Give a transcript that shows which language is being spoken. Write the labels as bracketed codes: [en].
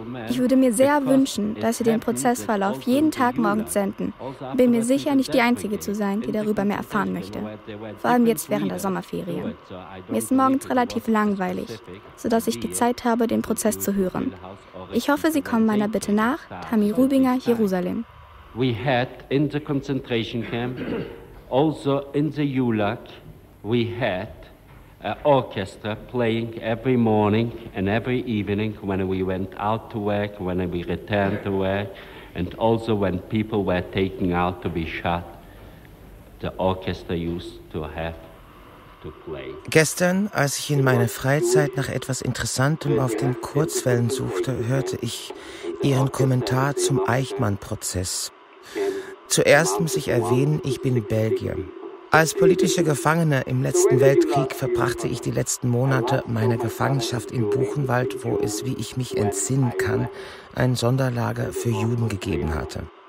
[de] Ich würde mir sehr wünschen, dass Sie den Prozessverlauf jeden Tag morgens senden. Bin mir sicher, nicht die Einzige zu sein, die darüber mehr erfahren möchte. Vor allem jetzt während der Sommerferien. Mir ist morgens relativ langweilig, sodass ich die Zeit habe, den Prozess zu hören. Ich hoffe, Sie kommen meiner Bitte nach, Tammy Rubinger, Jerusalem. [en] We had in the concentration camp, also in the Yulak, we had an orchestra playing every morning and every evening when we went out to work, when we returned to work, and also when people were taken out to be shot, the orchestra used to have. [de] Gestern, als ich in meiner Freizeit nach etwas Interessantem auf den Kurzwellen suchte, hörte ich Ihren Kommentar zum Eichmann-Prozess. Zuerst muss ich erwähnen, ich bin Belgier. Als politischer Gefangener im letzten Weltkrieg verbrachte ich die letzten Monate meiner Gefangenschaft in Buchenwald, wo es, wie ich mich entsinnen kann, ein Sonderlager für Juden gegeben hatte.